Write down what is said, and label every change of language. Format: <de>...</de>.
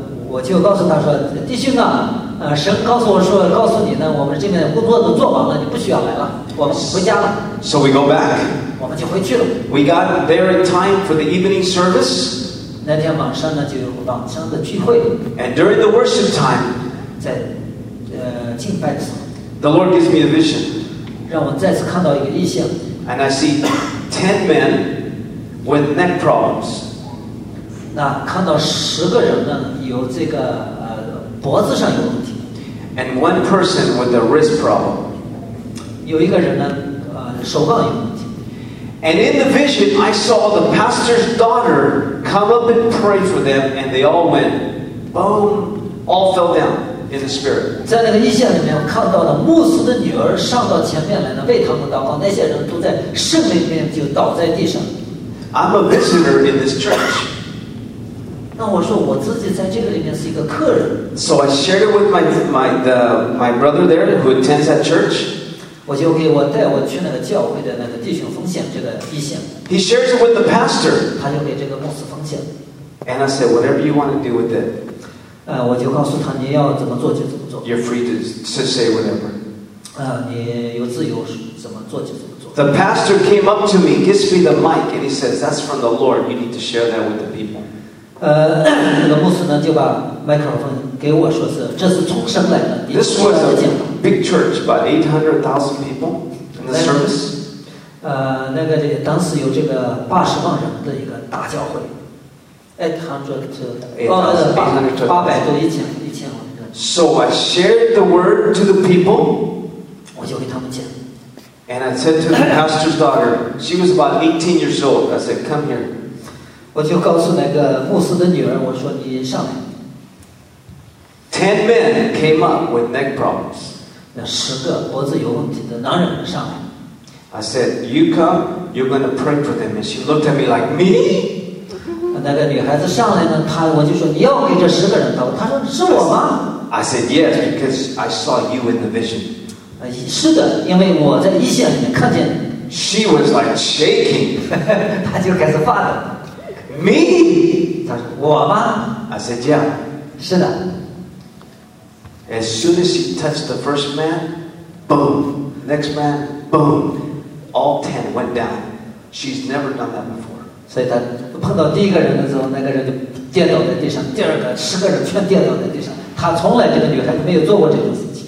<zh>我就告诉他说，弟兄啊，神告诉我说，告诉你呢，我们这边工作都做完了，你不需要来了，我们回家了。</zh> <en>So we go back.</en> <zh>我们就回去了。</zh> <en>We got there in time for the evening service.</en> <zh>那天晚上呢，就有晚上的聚会。</zh> <en>And during the worship time,</en> <zh>在敬拜的时候</zh> <en>The Lord gives me a vision.</en> <zh>让我再次看到一个异象</zh> <en>And I see 10 men with neck problems.</en> <zh>那看到十个人呢，有这个脖子上有问题</zh> <en>And one person with a wrist problem.</en> <zh>有一个人呢，手杠有问题</zh> <en>And in the vision, I saw the pastor's daughter come up and pray for them, and they all went, boom, all fell down. In the spirit.</en> <zh>在那个异象里面，我看到了牧师的女儿上到前面来呢，为他们祷告。那些人都在圣灵里面就倒在地上。</zh> <en>I'm a visitor in this church.</en> <zh>那我说我自己在这个里面是一个客人。</zh> <en>So I shared it with my brother there who attends that church.</en> <zh>我就给我带我去那个教会的那个弟兄分享这个异象。</zh> <en>He shares it with the pastor.</en> <zh>他就给这个牧师分享。</zh> <en>And I said, whatever you want to do with it.</en> <zh>我就告诉他你要怎么做就怎么做。</zh> <en>You're free to say whatever.</en> <zh>你有自由怎么做就怎么做。</zh> <en>The pastor came up to me, gives me the mic, and he says, "That's from the Lord. You need to share that with the people."</en> <zh>那个牧师呢就把麦克风给我说是这是从神来的。</zh> <en>This was a big church, about 800,000 people in the service.</en> <zh>那个这当时有这个80万人的一个大教会。</zh> <en>So I shared the word to the people.</en> <zh>我就给他们讲。</zh> <en>And I said to the pastor's daughter, she was about 18 years old. I said, "Come here."</en> <zh>我就告诉那个牧师的女儿，我说你上来。</zh> <en>10 men came up with neck problems.</en> <zh>那十个脖子有问题的男人上来。</zh> <en>I said, "You come. You're going to pray for them." And she looked at me like me.</en> <zh>那个女孩子上来呢，她我就说你要给这十个人祷告，她说是我吗</zh> <en>？I said yes because I saw you in the vision。</en> <zh>是的，因为我在异象里面看见。</zh> <en>She was like shaking。</en> <zh>她就开始发抖。</zh> <en>Me？</en> <zh>她说我吗</zh> <en>？I said yeah。</en> <zh>是的。</zh> <en>As soon as she touched the first man, boom. Next man, boom. All ten went down. She's never done that before.</en> <zh>所以她碰到第一个人的时候，那个人就跌倒在地上。第二个，十个人全跌倒在地上。她从来这个女孩子没有做过这种事情。</zh>